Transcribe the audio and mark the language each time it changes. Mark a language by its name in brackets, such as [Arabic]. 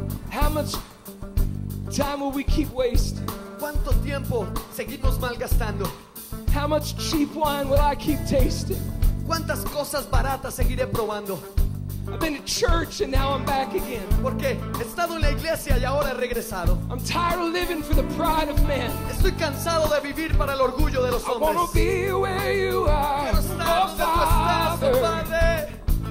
[English] How much time will we keep wasting? [Spanish] ¿Cuánto tiempo seguimos malgastando? [English] How much cheap wine will I keep tasting? [Spanish] ¿Cuántas cosas baratas seguiré probando? [English] I've been to church and now I'm back again. [Spanish] ¿Por qué? He estado en la iglesia y ahora he regresado. [English] I'm tired of living for the pride of man. [Spanish] Estoy cansado de vivir para el orgullo de los hombres. [English] I wanna be where you are. [Spanish] Quiero estar donde tú estás, oh Padre.